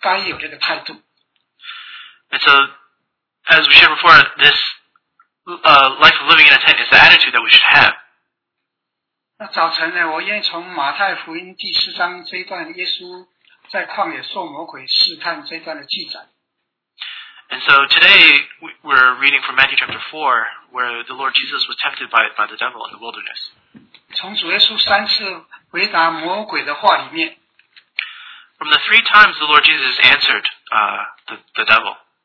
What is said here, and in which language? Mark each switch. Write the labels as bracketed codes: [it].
[en] And so, as we shared before, this life of living in a tent is the attitude that we should have. [zh] 那早晨呢，我愿意从马太福音第四章这一段，耶稣在旷野受魔鬼试探这一段的记载。 [en] And so today we're reading from Matthew chapter 4, where the Lord Jesus was tempted by the devil in the wilderness. [zh] 从主耶稣三次回答魔鬼的话里面, [en] from the three times the Lord Jesus answered the devil.